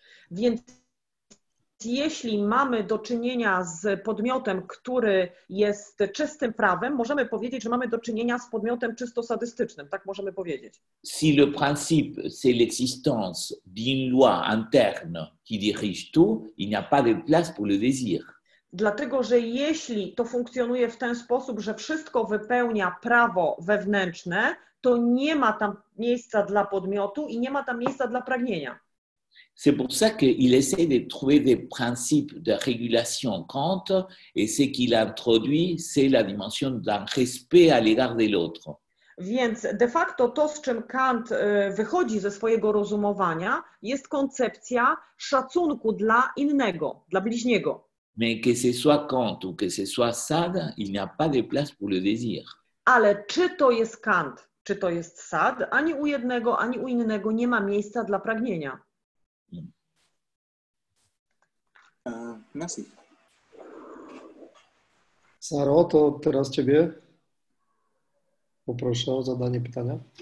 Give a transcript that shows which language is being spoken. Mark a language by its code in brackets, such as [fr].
[pl] Więc jeśli mamy do czynienia z podmiotem, który jest czystym prawem, możemy powiedzieć, że mamy do czynienia z podmiotem czysto sadystycznym, tak możemy powiedzieć. [fr] Si le principe c'est l'existence d'une loi interne qui dirige tout, il n'y a pas de place pour le désir. [pl] Dlatego, że jeśli to funkcjonuje w ten sposób, że wszystko wypełnia prawo wewnętrzne, to nie ma tam miejsca dla podmiotu i nie ma tam miejsca dla pragnienia. [fr] C'est pour ça qu'il essaie de trouver des principes de régulation Kant et ce qu'il a introduit, c'est la dimension d'un respect à l'égard de l'autre. [pl] Więc de facto to, z czym Kant wychodzi ze swojego rozumowania, jest koncepcja szacunku dla innego, dla bliźniego. [fr] Mais que ce soit Kant ou que ce soit Sade, il n'y a pas de place pour le désir. [pl] Ale czy to jest Kant, czy to jest Sade, ani u jednego, ani u innego nie ma miejsca dla pragnienia. [fr] Merci. [pl] Saro, to teraz ciebie poproszę o zadanie pytania.